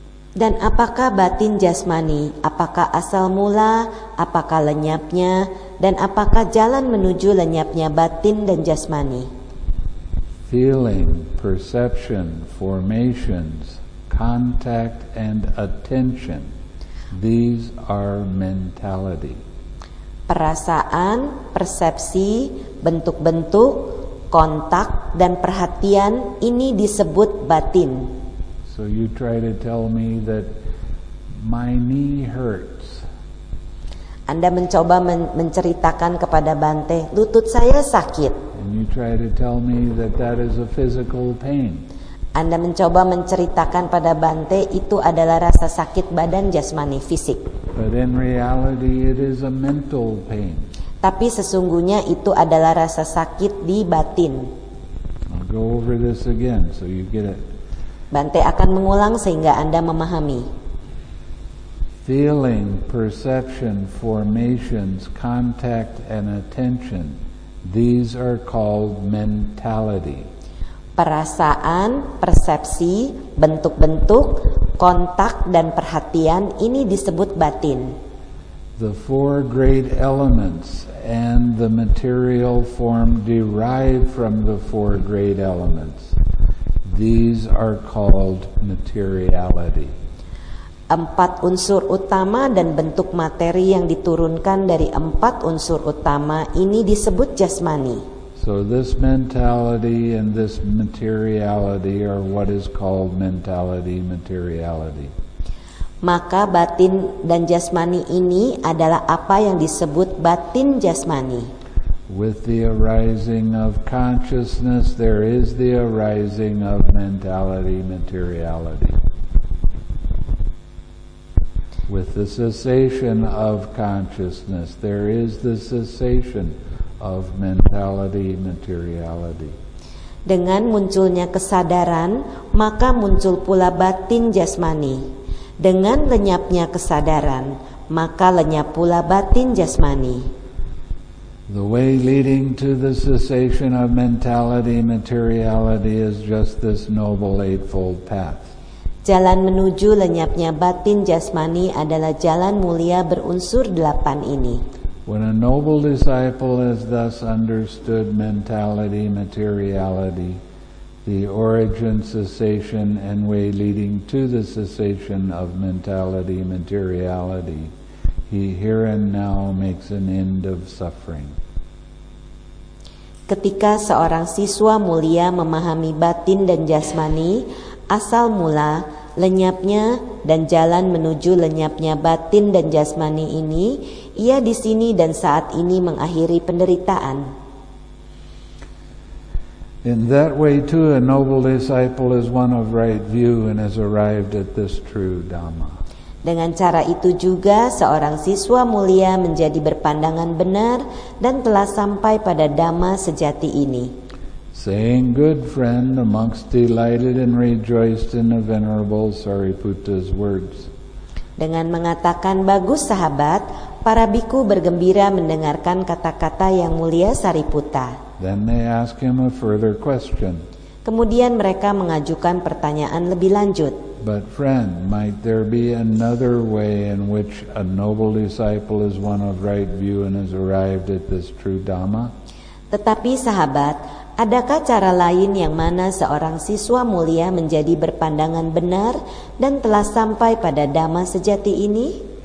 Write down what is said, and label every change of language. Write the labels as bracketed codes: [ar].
[id] Dan apakah batin jasmani, apakah asal mula, apakah lenyapnya, dan apakah jalan menuju lenyapnya batin dan jasmani? [en] Feeling, perception, formations, contact, and attention, these are mentality. [id] Perasaan, persepsi, bentuk-bentuk, kontak, dan perhatian, ini disebut batin. [en] So you try to tell me that my knee hurts. [id] Anda mencoba menceritakan kepada Bante, lutut saya sakit. [en] And you try to tell me that that is a physical pain. [id] Anda mencoba menceritakan pada Bante, itu adalah rasa sakit badan jasmani, fisik. [en] But in reality it is a mental pain. [id] Tapi sesungguhnya itu adalah rasa sakit di batin. [en] I'll go over this again so you get it. [id] Bante akan mengulang sehingga Anda memahami. [en] Feeling, perception, formations, contact, and attention, these are called mentality. [id] Perasaan, persepsi, bentuk-bentuk, kontak, dan perhatian, ini disebut batin. [en] The four great elements and the material form derived from the four great elements, these are called materiality. [id] Empat unsur utama dan bentuk materi yang diturunkan dari empat unsur utama ini disebut jasmani. [en] So this mentality and this materiality are what is called mentality, materiality. [id] Maka batin dan jasmani ini adalah apa yang disebut batin jasmani. [en] With the arising of consciousness, there is the arising of mentality, materiality. With the cessation of consciousness, there is the cessation of mentality, materiality. [id] Dengan munculnya kesadaran, maka muncul pula batin jasmani. Dengan lenyapnya kesadaran, maka lenyap pula batin jasmani. [en] The way leading to the cessation of mentality, materiality is just this noble eightfold path. [id] Jalan menuju lenyapnya batin jasmani adalah jalan mulia berunsur delapan ini. [en] When a noble disciple has thus understood mentality, materiality, the origin, cessation, and way leading to the cessation of mentality, materiality, he here and now makes an end of suffering. [id] Ketika seorang siswa mulia memahami batin dan jasmani, asal mula, lenyapnya, dan jalan menuju lenyapnya batin dan jasmani ini, ia di sini dan saat ini mengakhiri penderitaan. [en] In that way too, a noble disciple is one of right view and has arrived at this true dhamma. [id] Dengan cara itu juga seorang siswa mulia menjadi berpandangan benar dan telah sampai pada dhamma sejati ini. [en] Saying good friend, the monks delighted and rejoiced in the venerable Sariputta's words. [id] Dengan mengatakan bagus sahabat, para bhikkhu bergembira mendengarkan kata-kata yang mulia Sariputta. [en] Then they ask him a further question. [id] Kemudian mereka mengajukan pertanyaan lebih lanjut. [en] But friend, might there be another way in which a noble disciple is one of right view and has arrived at this true Dhamma? [id] Tetapi sahabat, adakah cara lain yang mana seorang siswa mulia menjadi berpandangan benar dan telah sampai pada Dhamma sejati ini?